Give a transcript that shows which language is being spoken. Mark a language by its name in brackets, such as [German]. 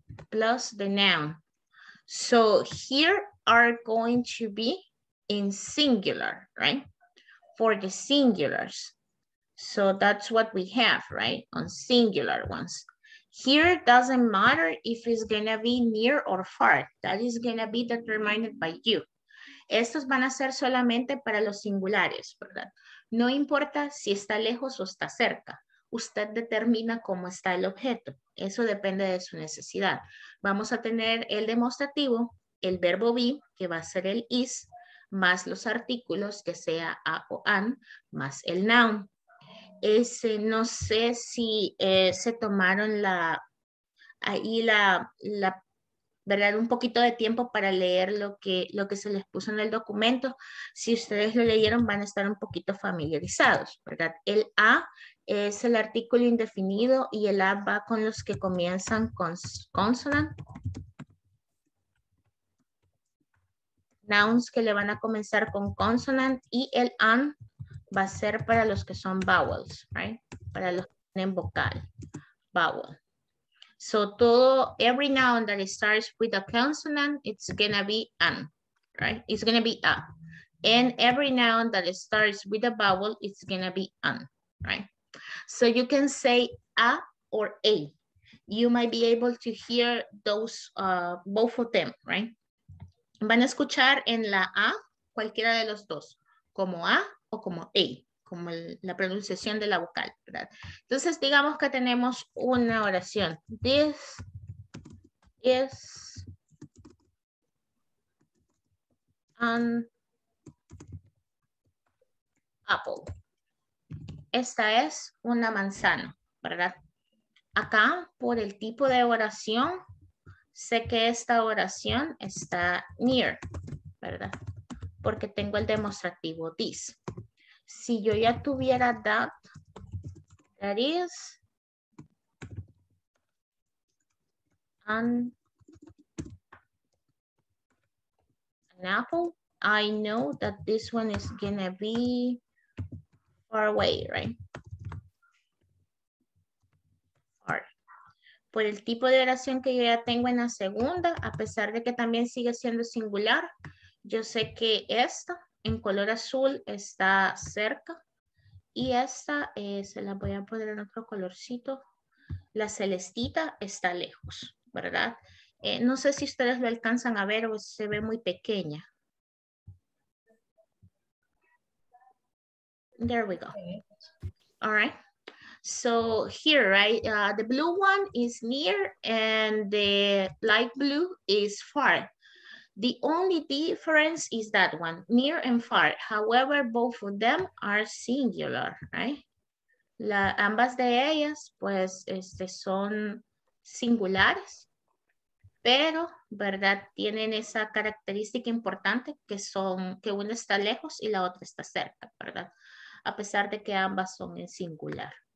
[English] Plus the noun. So here are going to be in singular, right? For the singulars. So that's what we have, right? On singular ones. Here doesn't matter if it's gonna be near or far. That is gonna be determined by you. [Spanish] Estos van a ser solamente para los singulares, ¿verdad? No importa si está lejos o está cerca. Usted determina cómo está el objeto. Eso depende de su necesidad. Vamos a tener el demostrativo, el verbo be, que va a ser el is, más los artículos, que sea a o an, más el noun. Ese, no sé si se tomaron la, ahí la, la, ¿verdad? Un poquito de tiempo para leer lo que se les puso en el documento. Si ustedes lo leyeron, van a estar un poquito familiarizados, ¿verdad? El a es el artículo indefinido y el a va con los que comienzan con consonant. Nouns que le van a comenzar con consonant y el an va a ser para los que son vowels, right? Para los que tienen vocal, vowel. [English] So todo, every noun that it starts with a consonant, it's gonna be an, right? It's gonna be a. And every noun that it starts with a vowel, it's gonna be an, right? So you can say a or a. You might be able to hear those, both of them, right? [Spanish] Van a escuchar en la a cualquiera de los dos, como a o como a, como la pronunciación de la vocal, ¿verdad? Entonces, digamos que tenemos una oración. [English] This is an apple. [Spanish] Esta es una manzana, ¿verdad? Acá, por el tipo de oración, sé que esta oración está near, ¿verdad? Porque tengo el demostrativo this. Si yo ya tuviera [English] that, that is an apple. I know that this one is gonna be far away, right? [Spanish] Por el tipo de oración que yo ya tengo en la segunda, a pesar de que también sigue siendo singular, yo sé que esta en color azul está cerca y esta se la voy a poner en otro colorcito. La celestita está lejos, ¿verdad? No sé si ustedes lo alcanzan a ver o se ve muy pequeña. [English] There we go. All right. So here, right, the blue one is near and the light blue is far. The only difference is that one, near and far. However, both of them are singular, right? [Spanish] La, ambas de ellas, pues, son singulares, pero, ¿verdad? Tienen esa característica importante que son, que una está lejos y la otra está cerca, ¿verdad? A pesar de que ambas son en singular.